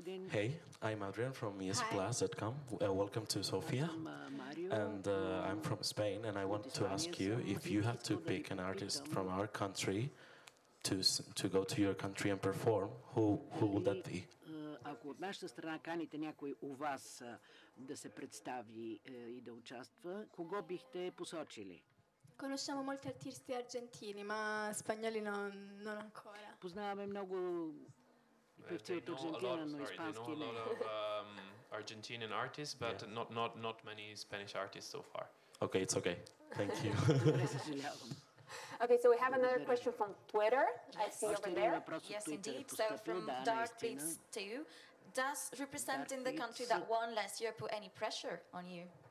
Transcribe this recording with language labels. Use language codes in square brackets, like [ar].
[en] Hey, I'm Adrian from ESPlus.com. Welcome to Sofia. And I'm from Spain and I want to ask you if you have to pick an artist from our country to go to your country and perform, who would that be? [bg] Ако от нашата страна каните някой у вас да се представи и да участва, кого бихте посочили? [it] Conosciamo molti artisti argentini, ma spagnoli non ancora. [bg] Познаваме много певци от Аржентина, но испански не. [en] Argentinian artists, but yeah. not many Spanish artists so far. Okay, it's okay. Thank you. Okay, so we have another question from Twitter. I see over there. Yes, indeed. So from Dark Beats 2, does representing the country that won last year put any pressure on you?